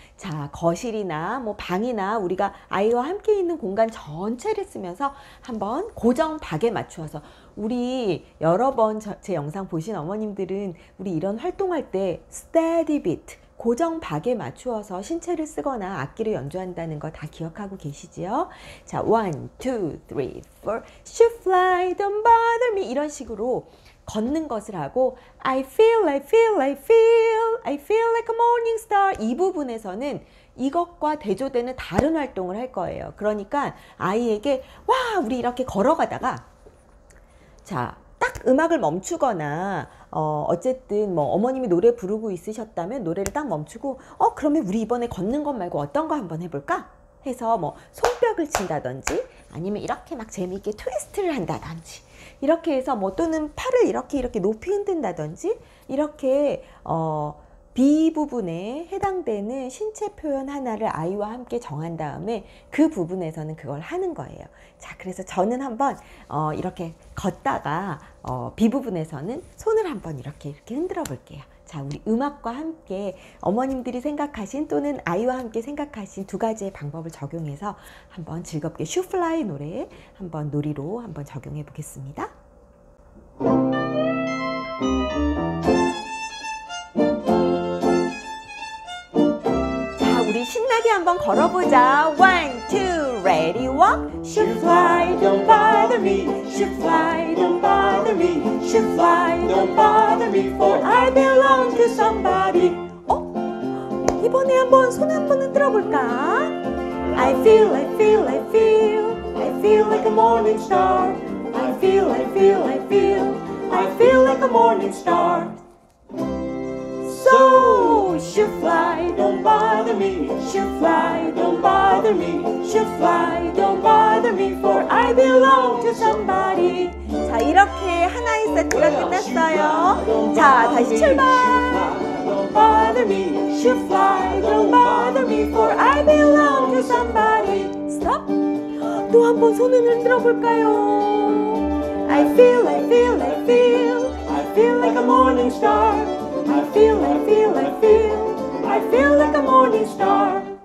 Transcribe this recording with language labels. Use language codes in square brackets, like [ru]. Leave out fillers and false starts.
[ko] 자, 거실이나 뭐 방이나 우리가 아이와 함께 있는 공간 전체를 쓰면서 한번 고정 박에 맞추어서 우리 여러 번 제 영상 보신 어머님들은 우리 이런 활동할 때 steady beat, 고정 박에 맞추어서 신체를 쓰거나 악기를 연주한다는 거 다 기억하고 계시지요? 자, 1, 2, 3, 4, [en] should fly, don't bother me [ko] 이런 식으로 걷는 것을 하고 [en] I feel, I feel, I feel, I feel like a morning star [ko] 이 부분에서는 이것과 대조되는 다른 활동을 할 거예요. 그러니까 아이에게 와 우리 이렇게 걸어가다가 자 딱 음악을 멈추거나 어쨌든 뭐 어머님이 노래 부르고 있으셨다면 노래를 딱 멈추고 그러면 우리 이번에 걷는 것 말고 어떤 거 한번 해볼까? 해서 뭐 손뼉을 친다든지 아니면 이렇게 막 재미있게 트위스트를 한다든지 이렇게 해서 뭐 또는 팔을 이렇게 높이 흔든다든지 이렇게 B 부분에 해당되는 신체 표현 하나를 아이와 함께 정한 다음에 그 부분에서는 그걸 하는 거예요. 자, 그래서 저는 한번 이렇게 걷다가 B 부분에서는 손을 한번 이렇게 흔들어 볼게요. 자, 우리 음악과 함께 어머님들이 생각하신 또는 아이와 함께 생각하신 두 가지의 방법을 적용해서 한번 즐겁게 슈플라이 노래 한번 놀이로 한번 적용해 보겠습니다. 자, 우리 신나게 한번 걸어보자. [en] 1, 2, ready, walk. Should fly, don't bother me. Should fly, don't bother me. Should fly, don't bother me. For I belong to somebody. [ko] 이번에 한번 손 한번 흔들어 볼까? [en] I feel, I feel, I feel. I feel like a morning star. I feel, I feel, I feel. I feel like a morning star. So, shoo fly, don't bother me. Shoo fly, don't bother me. Shoo fly, don't bother me. For I belong to somebody. [ko] 자, 이렇게 하나의 세트가 끝났어요. 자, 다시 출발. [en] Don't bother me. Shoo fly, don't bother me. For I belong to somebody. Stop. [ko] 또 한번 손을 흔들어 볼까요? [en] I feel, I feel, I feel. I feel like a morning star. I feel, I feel, I feel. I feel like a morning star.